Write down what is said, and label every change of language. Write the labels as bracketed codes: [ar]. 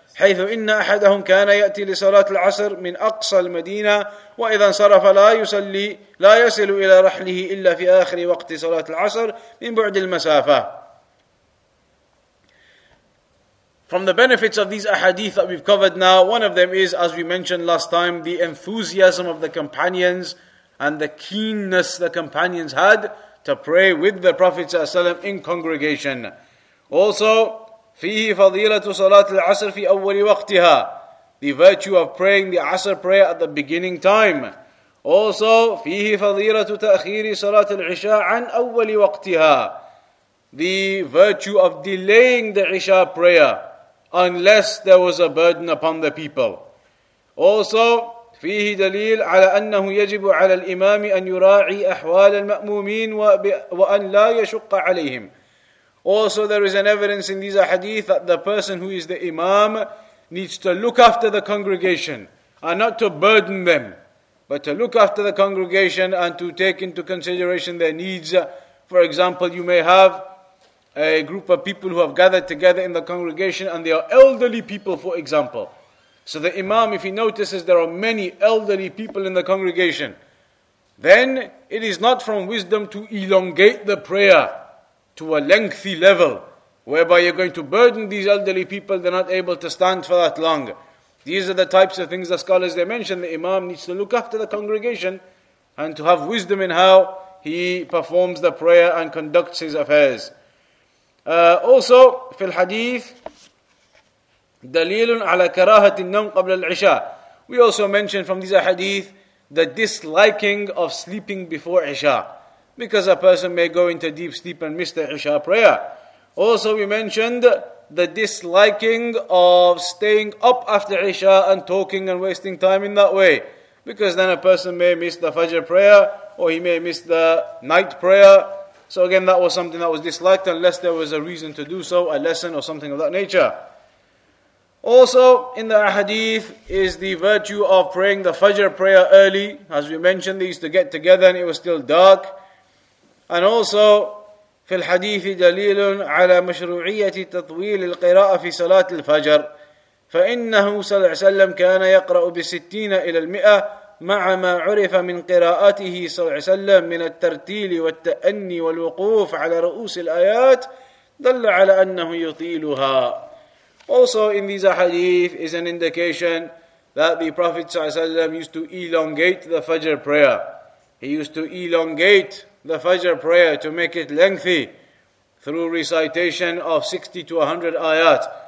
[ar] حيث إن أحدهم كان يأتي لصلاة العصر من أقصى المدينة وإذا انصرف لا يصلي لا يصل إلى رحله إلا في آخر وقت صلاة العصر من بعد المسافة. [en] From the benefits of these ahadith that we've covered now, one of them is, as we mentioned last time, the enthusiasm of the companions and the keenness the companions had to pray with the Prophet ﷺ in congregation. Also, [ar] فيه فضيلة صلاة العصر في أول وقتها, [en] the virtue of praying the Asr prayer at the beginning time. Also, [ar] فيه فضيلة تأخير صلاة العشاء عن أول وقتها, [en] the virtue of delaying the Isha prayer unless there was a burden upon the people. Also, [ar] فيه دليل على أنه يجب على الإمام أن يراعي أحوال المأمومين وأن لا يشق عليهم. [en] Also, there is an evidence in these hadith that the person who is the Imam needs to look after the congregation and not to burden them, but to look after the congregation and to take into consideration their needs. For example, you may have a group of people who have gathered together in the congregation and they are elderly people, for example. So the Imam, if he notices there are many elderly people in the congregation, then it is not from wisdom to elongate the prayer to a lengthy level whereby you're going to burden these elderly people, they're not able to stand for that long. These are the types of things the scholars, they mention. The Imam needs to look after the congregation and to have wisdom in how he performs the prayer and conducts his affairs. Also, [ar] في الحديث دليل على كراهة النوم قبل العشاء. [en] We also mention from these hadith the disliking of sleeping before Isha, because a person may go into deep sleep and miss the Isha prayer. Also, we mentioned the disliking of staying up after Isha and talking and wasting time in that way, because then a person may miss the Fajr prayer or he may miss the night prayer. So again, that was something that was disliked unless there was a reason to do so, a lesson or something of that nature. Also, in the hadith is the virtue of praying the Fajr prayer early. As we mentioned, they used to get together and it was still dark. And also, [ar] في الحديث دليل على مشروعية تطويل القراءة في صلاة الفجر فإنه صلى الله عليه وسلم كان يقرأ بالستين إلى المئة مع ما عرف من قراءته صلى الله عليه وسلم من الترتيل والتأني والوقوف على رؤوس الآيات دل على أنه يطيلها. [en] Also, in these hadith is an indication that the Prophet [ar] صلى الله عليه وسلم [en] used to elongate the Fajr prayer. He used to elongate the Fajr prayer to make it lengthy through recitation of 60 to 100 ayat.